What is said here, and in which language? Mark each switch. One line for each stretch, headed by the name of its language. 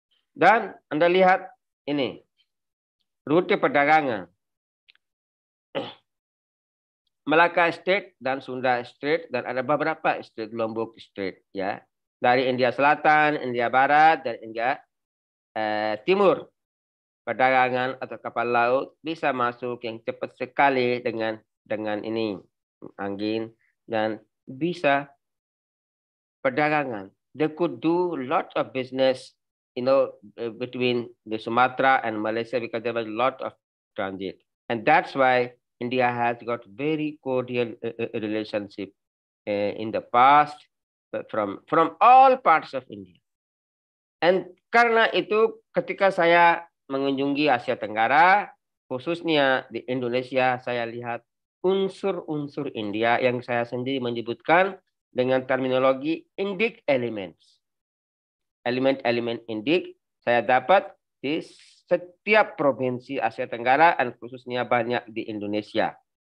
Indonesian: Dan Anda lihat ini rute perdagangan Malacca Strait dan Sunda Strait dan ada beberapa Strait, Lombok Strait, ya, dari India Selatan, India Barat dan India Timur. Perdagangan atau kapal laut bisa masuk yang cepat sekali dengan ini angin, dan bisa perdagangan.
English: They could do lot of business, you know, between the Sumatra and Malaysia because there was a lot of transit. And that's why India has got very cordial relationship in the past from all parts of India.
Indonesian: And karena itu ketika saya mengunjungi Asia Tenggara, khususnya di Indonesia, saya lihat unsur-unsur India yang saya sendiri menyebutkan dengan terminologi Indic elements. Elemen-elemen Indic saya dapat di setiap provinsi Asia Tenggara dan khususnya banyak di Indonesia.